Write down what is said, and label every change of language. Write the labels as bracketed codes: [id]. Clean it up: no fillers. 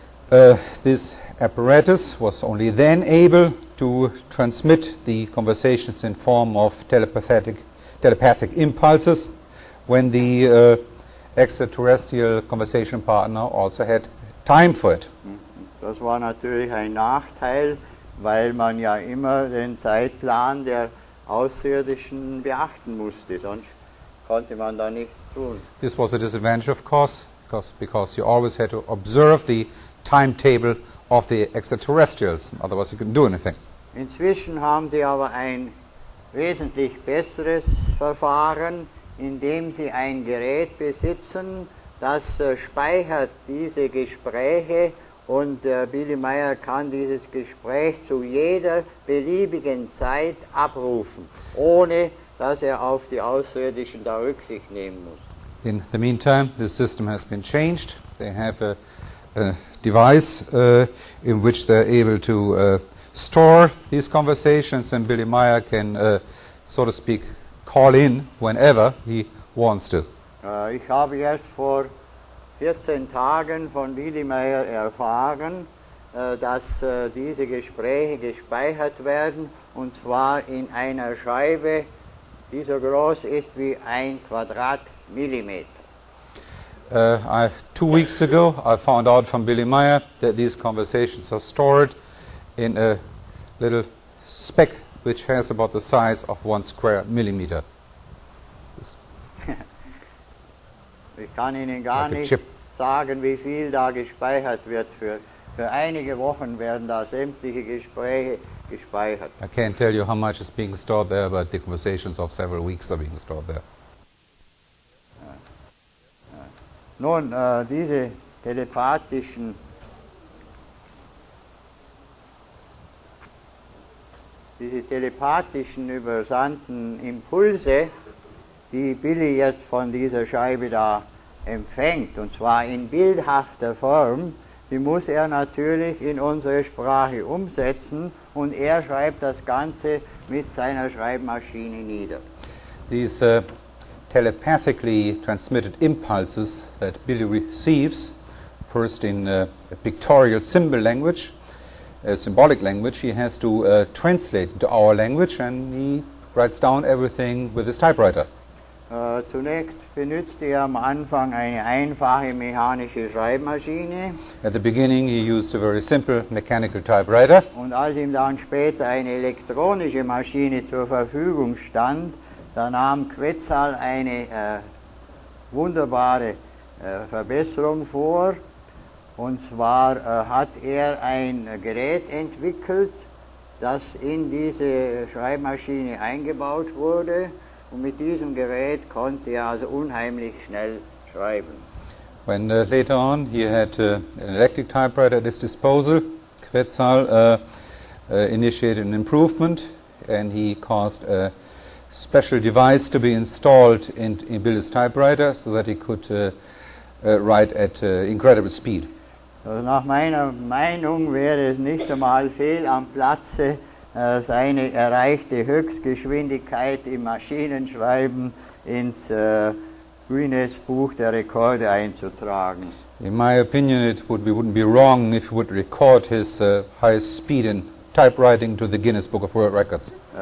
[en] This apparatus was only then able to transmit the conversations in form of telepathic impulses when the extraterrestrial conversation partner also had time for it. [de] Das war natürlich ein Nachteil, weil man ja immer den Zeitplan der Außerirdischen beachten musste, sonst konnte man da nichts tun. [en] This was a disadvantage, of course, because you always had to observe the timetable of the extraterrestrials, otherwise you couldn't do anything. [de] Inzwischen haben sie aber ein wesentlich besseres Verfahren, indem sie ein Gerät besitzen, das speichert diese Gespräche, und Billy Meyer kann dieses Gespräch zu jeder beliebigen Zeit abrufen, ohne dass er auf die Außerirdischen da Rücksicht nehmen muss. [en] In the meantime, the system has been changed. They have a device in which they're able to store these conversations, and Billy Meyer can, so to speak, call in whenever he wants to. [de] Ich habe jetzt vor 14 Tagen von Billy Meyer erfahren, dass diese Gespräche gespeichert werden, und zwar in einer Scheibe, die so groß ist wie ein Quadratmillimeter. [en] Two weeks ago, I found out from Billy Meyer that these conversations are stored in a little speck which has about the size of one square millimeter. [de] Ich kann Ihnen gar nicht sagen, wie viel da gespeichert wird. Für einige Wochen werden da sämtliche Gespräche gespeichert. [en] I can't tell you how much is being stored there, but the conversations of several weeks are being stored there. [de] Nun, diese telepathischen übersandten Impulse, die Billy jetzt von dieser Scheibe da empfängt, und zwar in bildhafter Form, die muss er natürlich in unsere Sprache umsetzen, und er schreibt das Ganze mit seiner Schreibmaschine nieder. [en] These telepathically transmitted impulses that Billy receives, first in a pictorial symbol language, a symbolic language, he has to translate into our language, and he writes down everything with his typewriter. [de] Zunächst benutzt er am Anfang eine einfache mechanische Schreibmaschine. [en] At the beginning he used a very simple mechanical typewriter. [de] Und als ihm dann später eine elektronische Maschine zur Verfügung stand, da nahm Quetzal eine wunderbare Verbesserung vor. Und zwar hat er ein Gerät entwickelt, das in diese Schreibmaschine eingebaut wurde. Und mit diesem Gerät konnte er also unheimlich schnell schreiben. [en] When later on he had an electric typewriter at his disposal, Quetzal initiated an improvement, and he caused a special device to be installed in Billy's typewriter, so that he could write at incredible speed. [de] Also nach meiner Meinung wäre es nicht einmal fehl am Platze, seine erreichte Höchstgeschwindigkeit im Maschinenschreiben ins Guinness Buch der Rekorde einzutragen. [en] In my opinion, it wouldn't be wrong if he would record his highest speed in typewriting to the Guinness Book of World Records.